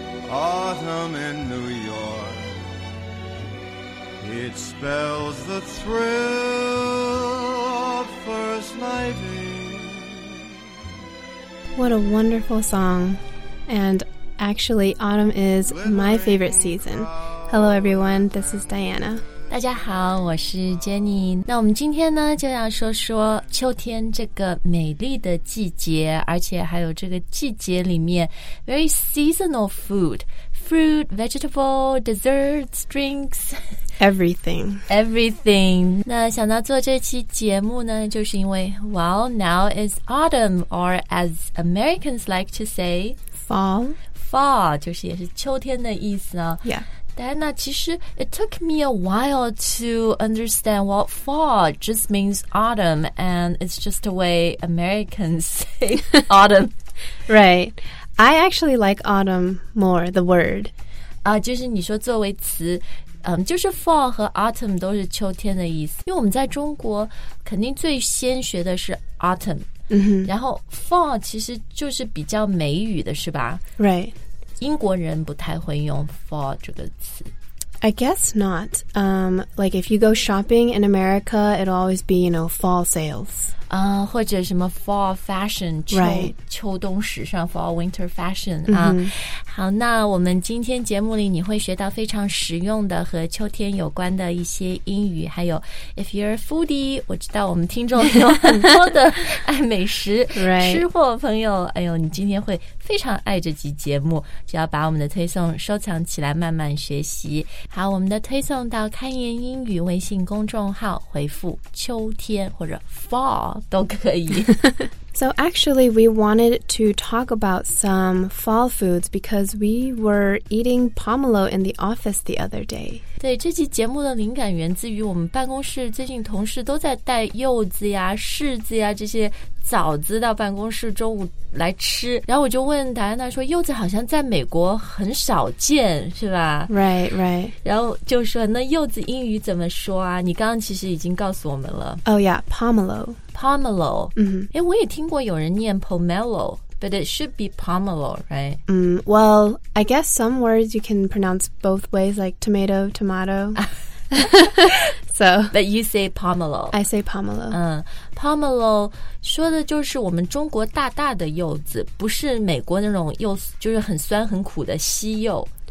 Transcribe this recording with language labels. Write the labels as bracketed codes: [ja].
[en] Autumn in New York. It spells the thrill of first nighting. What a wonderful song. And actually, autumn is my favorite season. Hello everyone, this is Diana. [zh] 大家好，我是 Jenny。那我们今天呢就要说说秋天这个美丽的季节，而且还有这个季节里面 [en] very seasonal food, fruit, vegetable, desserts, drinks, everything. [zh] 那想到做这期节目呢，就是因为 [en] well, now is autumn, or as Americans like to say, fall, [zh] 就是也是秋天的意思啊。 [en] Yeah. Diana, [zh] 其实 [en] it took me a while to understand what fall just means autumn, and it's just the way Americans say autumn. Right. I actually like autumn more, the word. [zh] 就是你说作为词，就是 fall 和 autumn 都是秋天的意思。因为我们在中国肯定最先学的是 autumn,、 [en] mm-hmm. [zh] 然后 fall 其实就是比较梅雨的是吧 [en] ?Right. [zh] 英国人不太会用 fall 这个词。 [en] I guess not. Like if you go shopping in America, it'll always be, you know, fall sales. [zh] 或者什么 [en] fall fashion, [zh] 秋冬时尚 [en] fall winter fashion. [zh] 好，那我们今天节目里你会学到非常实用的和秋天有关的一些英语，还有 [en] if you're a foodie, [zh] 我知道我们听众有很多的爱美食、 [en] right. [zh] 吃货朋友，哎呦，你今天会非常爱这集节目，只要把我们的推送收藏起来慢慢学习。好，我们的推送到开言英语微信公众号，回复秋天或者 fall 都可以。 [en] So actually, we wanted to talk about some fall foods because we were eating pomelo in the office the other day. [zh] 对，这期节目的灵感源自于我们办公室最近同事都在带柚子呀、柿子呀这些枣子到办公室中午来吃，然后我就问达安娜说，柚子好像在美国很少见，是吧 [en] ？Right, right. [zh] 然后就说那柚子英语怎么说啊？你刚刚其实已经告诉我们了。 [en] Oh yeah, pomelo. Pomelo. 嗯、mm-hmm. 欸， [zh] 我也听过有人念 [en] pomelo, but it should be pomelo, right? Well, I guess some words you can pronounce both ways, like tomato, tomato. So, but you say pomelo. I say pomelo. [zh] Pomelo 说的就是我们中国大大的柚子，不是美国那种柚子，就是很酸很苦的西柚。